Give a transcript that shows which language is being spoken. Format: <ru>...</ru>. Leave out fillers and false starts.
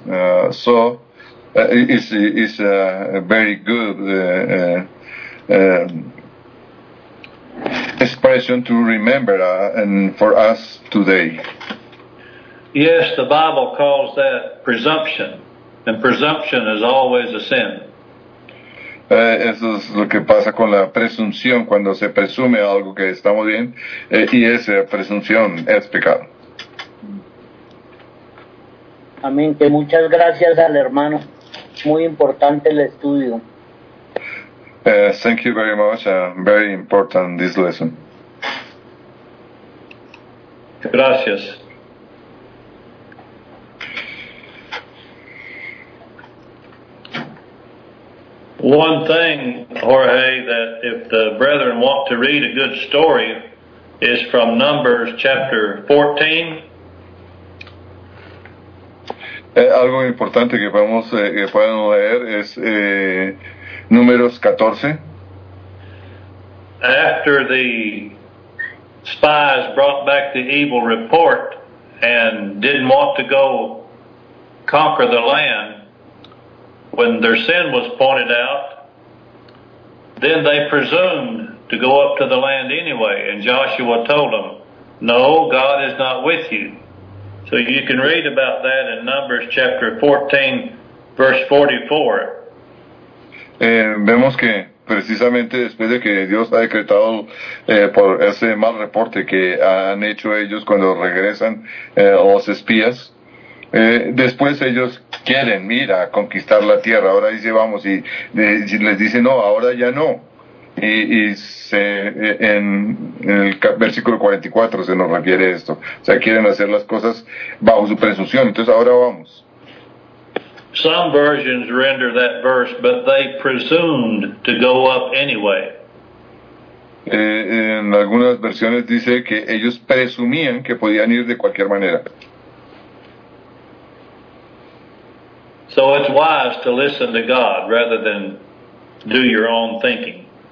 <en>So it's a very good expression to remember and for us today. Yes, the Bible calls that presumption, and presumption is always a sin.</en> <es>Eso es lo que pasa con la presunción, cuando se presume algo que estamos bien, y esa presunción es pecado. Amén, que muchas gracias al hermano, muy importante el estudio.</es> <en>Thank you very much, very important this lesson.</en> <es>Gracias.</es> <en>One thing, Jorge, that if the brethren want to read a good story, is from Numbers chapter 14.</en> <es>Algo importante que podemos que puedan leer es Números 14.</es> <en>After the spies brought back the evil report and didn't want to go conquer the land, when their sin was pointed out, then they presumed to go up to the land anyway, and Joshua told them, no, God is not with you. So you can read about that in Numbers chapter 14, verse 44.</en> <es>Vemos que precisamente después de que Dios ha decretado por ese mal reporte que han hecho ellos cuando regresan los espías, después ellos quieren ir a conquistar la tierra. Ahora dice, vamos, y les dice, no, ahora ya no. Y en el versículo 44 se nos refiere esto. O sea, quieren hacer las cosas bajo su presunción. Entonces, ahora vamos.</es> <en>Some versions render that verse, but they presumed to go up anyway.</en> <es>En algunas versiones dice que ellos presumían que podían ir de cualquier manera.</es> <en>So it's wise to listen to God rather than do your own thinking.</en>